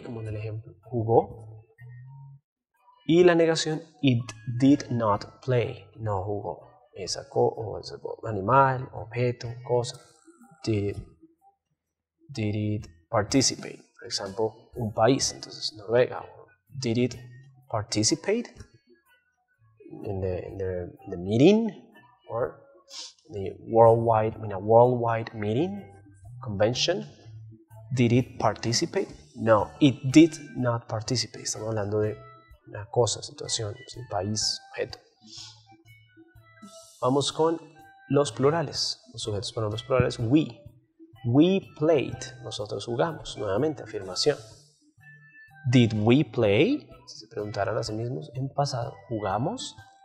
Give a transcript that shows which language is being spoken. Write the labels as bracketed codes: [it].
[es] Como en el ejemplo, jugó. Y la negación, [en] it did not play. [es] No jugó. Esa ese animal, objeto, cosa. [en] Did it participate? [es] Por ejemplo, un país, entonces Noruega. [en] Did it participate in the meeting or a worldwide meeting convention? Did it participate? No, it did not participate. [es] Estamos hablando de una cosa, situación, país, objeto. Vamos con los plurales, los sujetos pronombres plurales. [en] We played. [es] Nosotros jugamos. Nuevamente, afirmación. [en] Did we play? [es] Si se preguntaran a sí mismos, en pasado, ¿jugamos?